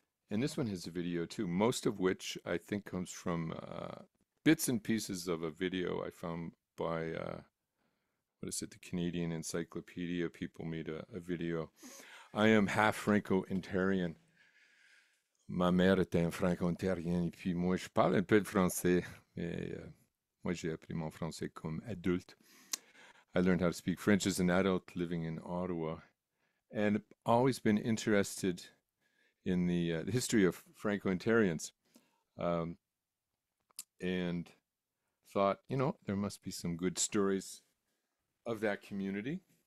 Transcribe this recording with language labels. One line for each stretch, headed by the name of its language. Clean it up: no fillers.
English: And this one has a video too, most of which I think comes from bits and pieces of a video I found by, the Canadian Encyclopedia People Made a video. I am half Franco-Ontarian.
French: Ma mère était franco-ontarienne, et puis moi, je parle un peu de français, mais moi, j'ai appris mon français comme adulte.
English: I learned how to speak French as an adult living in Ottawa, and always been interested in the history of Franco-Ontarians, and thought, you know, there must be some good stories of that community.